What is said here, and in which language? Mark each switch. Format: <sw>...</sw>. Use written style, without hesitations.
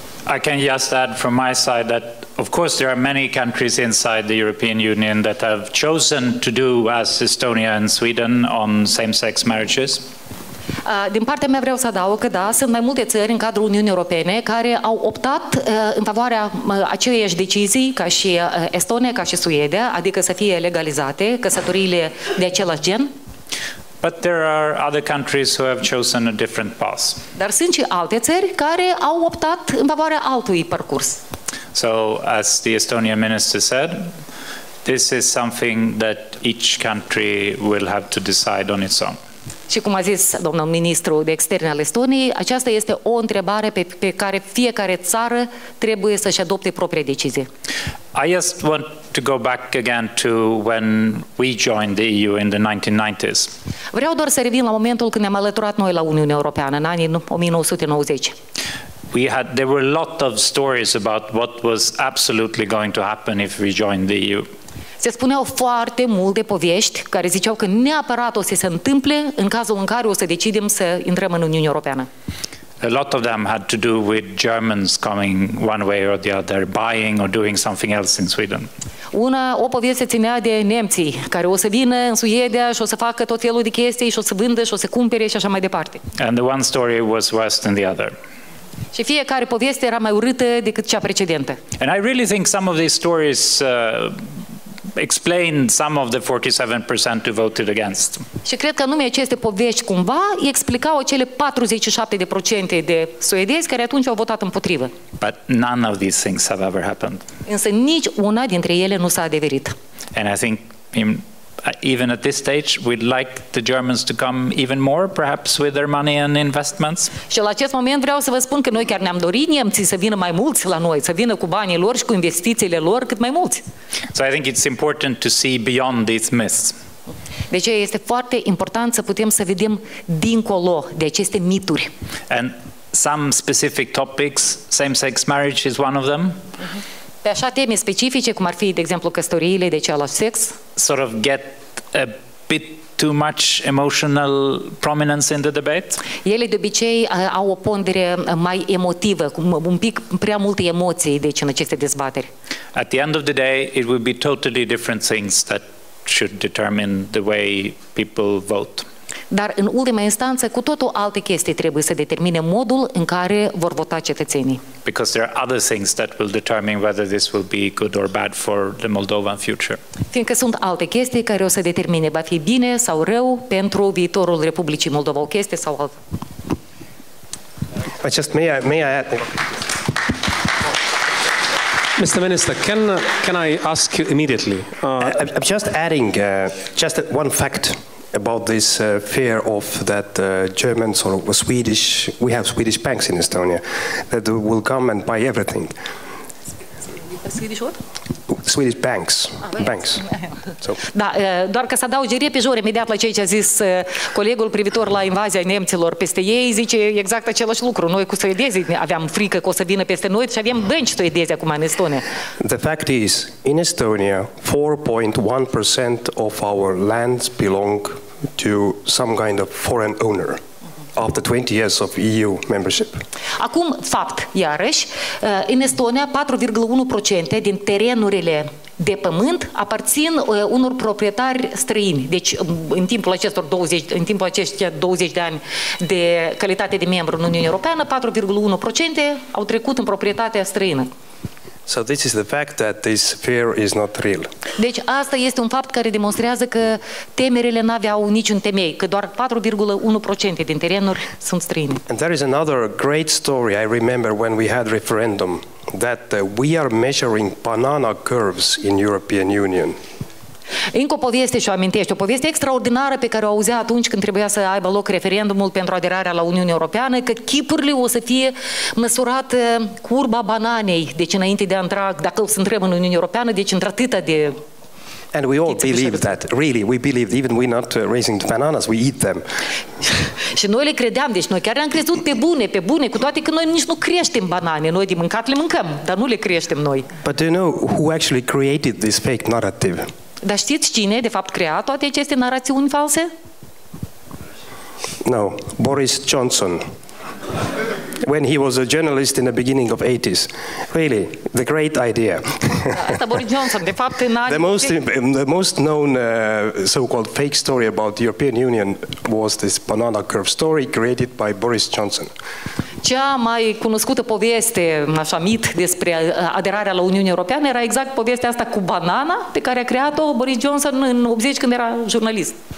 <en>I can just add from my side that of course there are many countries inside the European Union that have chosen to do as Estonia and Sweden on same-sex marriages.</en> <ro>Din partea mea vreau să adaug că da, sunt mai multe țări în cadrul Uniunii Europene care au optat în favoarea aceleiași decizii ca și Estonia, ca și Suedia, adică să fie legalizate căsătoriile de același gen.</ro> <en>But there are other countries who have chosen a different path.</en> <ro>Dar sunt și alte țări care au optat în favoarea altui parcurs.</ro> <en>So, as the Estonian minister said, this is something that each country will have to decide on its own.</en> <ro>Și cum a zis domnul ministru de externe al Estoniei, aceasta este o întrebare pe care fiecare țară trebuie să-și adopte propria decizie.</ro> <en>I just want to go back again to when we joined the EU in the 1990s.</en> <ro>Vreau doar să revin la momentul când ne-am alăturat noi la Uniunea Europeană, în anii 1990.</ro> <en>There were a lot of stories about what was absolutely going to happen if we joined the EU.</en> <ro>Se spuneau foarte multe povești care ziceau că neapărat o să se întâmple în cazul în care o să decidem să intrăm în Uniunea Europeană.</ro> <en>A lot of them had to do with Germans coming one way or the other, buying or doing something else in Sweden.</en> <ro>O poveste ținea de nemții care o să vină în Suedia și o să facă tot felul de chestii și o să vândă și o să cumpere și așa mai departe.</ro> <en>And the one story was worse than the other.</en> <ro>Și fiecare poveste era mai urâtă decât cea precedentă.</ro> <en>And I really think some of these stories explain some of the 47% who voted against.</en> <ro>Și cred că numai aceste povești cumva explicau acele 47% de suedezi care atunci au votat împotrivă.</ro> <en>But none of these things have ever happened.</en> <ro>Însă nici una dintre ele nu s-a adeverit.</ro> <en>And I think even at this stage, we'd like the Germans to come even more, perhaps with their money and investments.</en> <ro>Și la acest moment vreau să vă spun că noi chiar ne-am dorit nemții să vină mai mulți la noi, să vină cu banii lor și cu investițiile lor cât mai mulți.</ro> <en>So I think it's important to see beyond these myths.</en> <ro>Deci este foarte important să putem să vedem dincolo de aceste mituri.</ro> <en>And some specific topics, same-sex marriage is one of them.</en> <ro>Pe așa teme specifice, cum ar fi, de exemplu, căsătoriile de același sex.</ro> <en>Sort of get a bit too much emotional prominence in the debate.</en> <ro>Ele de obicei au o pondere mai emotivă, cu un pic prea multe emoții, deci în aceste dezbateri.</ro> <en>At the end of the day, it will be totally different things that should determine the way people vote.</en> <ro>Dar în ultima instanță, cu totul alte chestii trebuie să determine modul în care vor vota cetățenii.</ro> <en>Because there are other things that will determine whether this will be good or bad for the Moldovan future.</en> <ro>Fiindcă sunt alte chestii care o să determine va fi bine sau rău pentru viitorul Republicii Moldova, o chestie sau altă.</ro> <en>May I add? Mr. Minister, can I ask you immediately? I'm just adding one fact about this fear of that Germans or Swedish, we have Swedish banks in Estonia, that will come and buy everything. Swedish what? Swedish banks. Banks. So.</en> <ro>Da, doar ca să adaugi repejor imediat la ceea ce a zis colegul privitor la invazia nemților peste ei, zice exact același lucru. Noi cu suedezii aveam frică că o să vină peste noi și avem bănci suedezi acum în Estonia.</ro> <en>The fact is, in Estonia, 4.1% of our lands belong to some kind of foreign owner after 20 years of EU membership.</en> <ro>Acum, fapt, iarăși, în Estonia, 4.1% din terenurile de pământ aparțin unor proprietari străini. Deci, în timpul acestor 20 de ani de calitate de membru în Uniunea Europeană, 4.1% au trecut în proprietatea străină.</ro> <en>So this is the fact that this fear is not real.</en> <ro>Deci asta este un fapt care demonstrează că temerile n-aveau niciun temei, că doar 4.1% din terenuri sunt străine.</ro> <en>And there is another great story I remember when we had referendum that we are measuring banana curves in European Union.</en> <ro>Încă o poveste și o amintește, o poveste extraordinară pe care o auzea atunci când trebuia să aibă loc referendumul pentru aderarea la Uniunea Europeană, că chipurile o să fie măsurate curba bananei, deci înainte de a intra, dacă o să intrăm în Uniunea Europeană, deci într-atâta de...</ro> <en>And we all believed that, really, we believed, even we're not raising the bananas, we eat them.</en> <ro>Și noi le credeam, deci noi chiar le-am crezut pe bune, cu toate că noi nici nu creștem banane, noi de mâncat le mâncăm, dar nu le creștem noi.</ro> <en>But do you know who actually created this fake narrative?</en> <ro>Dar știți cine, de fapt, crea toate aceste narațiuni false?</ro> <en>No, Boris Johnson. When he was a journalist in the beginning of 80s. Really, the great idea.</en> <ro>Asta Boris Johnson, de fapt, în anii...</ro> <en>The most known so-called fake story about the European Union was this banana curve story created by Boris Johnson.</en> <ro>Cea mai cunoscută poveste, așa mit, despre aderarea la Uniunea Europeană era exact povestea asta cu banana pe care a creat-o Boris Johnson în 80 când era jurnalist.</ro>